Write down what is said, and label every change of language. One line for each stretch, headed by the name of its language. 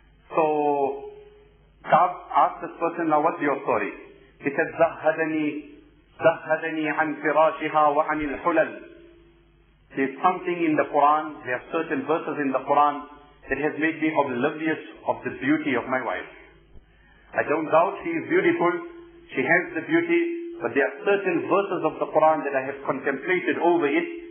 English: So, Ka'b asked this person, now what's your story? He said,
Arabic: زَهَّدَنِي عَنْ فِرَاشِهَا وَعَنِ الْحُلَلِ.
English: There's something in the Quran, there are certain verses in the Quran that has made me oblivious of the beauty of my wife. I don't doubt she is beautiful, she has the beauty, but there are certain verses of the Quran that I have contemplated over it,